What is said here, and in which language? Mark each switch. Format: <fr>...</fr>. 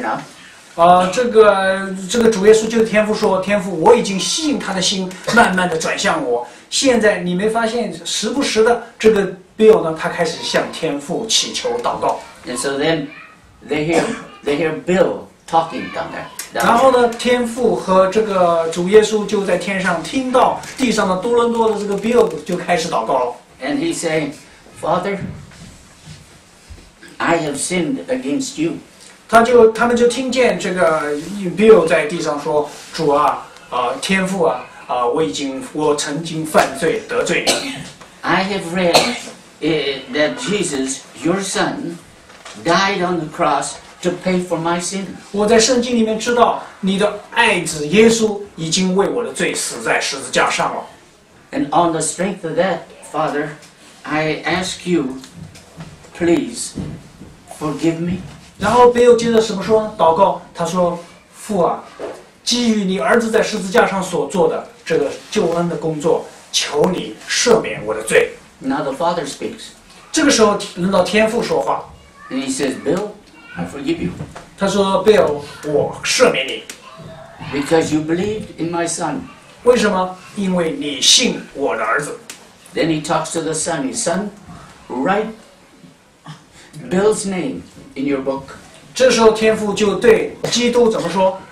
<en>Now,</en> <zh>这个主耶稣就是天父说，天父，我已经吸引他的心，慢慢的转向我。现在你没发现，时不时的这个 Bill 呢，他开始向天父祈求祷告。</zh> <en>And so then, they hear Bill talking down there.</en> <zh>然后呢，天父和这个主耶稣就在天上听到地上的多伦多的这个 Bill 就开始祷告了。</zh> <en>And he said, Father, I have sinned against you.</en> <zh>他们就听见这个 Bill 在地上说：“主啊，天父啊，我曾经犯罪得罪你。</zh> <en>”I have read that Jesus, your son, died on the cross. To pay for my sin.</en> <zh>我在圣经里面知道你的爱子耶稣已经为我的罪死在十字架上了。</zh> <en>And on the strength of that, Father, I ask you, please, forgive me.</en> <zh>然后 Bill 接着什么说呢？祷告，他说：“父啊，基于你儿子在十字架上所做的这个救恩的工作，求你赦免我的罪。”</zh> <en>Now the Father speaks.</en> <zh>这个时候轮到天父说话。</zh> <en>And he says, Bill. I forgive you.</en> <zh>他说 ，Bill， 我赦免你。</zh> <en>Because you believed in my son.</en> <zh>为什么？因为你信我的儿子。</zh> <en>Then he talks to the son. His son, write Bill's name in your book.</en> <zh>这时候天父就对基督怎么说？</zh>